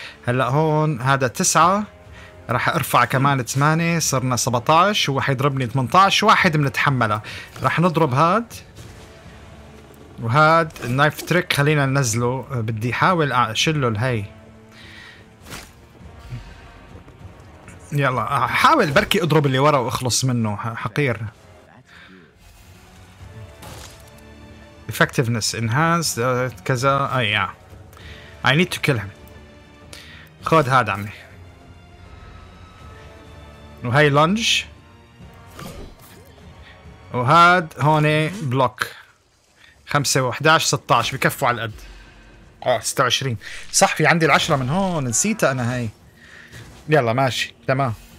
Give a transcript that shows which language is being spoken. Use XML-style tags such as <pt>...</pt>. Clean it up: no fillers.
<ar>هلا هون هذا 9 راح ارفع كمان 8 صرنا 17 هو حيضربني 18 واحد بنتحمله راح نضرب هاد وهاد النايف تريك خلينا ننزله بدي احاول اشله الهي يلا حاول بركي اضرب اللي ورا واخلص منه حقير.</ar> <en>effectiveness enhanced</en> <ar>كذا اي يا</ar> <en>I need to kill him.</en> <ar>خذ هاد عمي وهي لانج وهاد هون بلوك 5 و11 16 بكفوا على القد 26 صح في عندي العشرة من هون نسيتها انا هاي يلا ماشي تمام.</ar>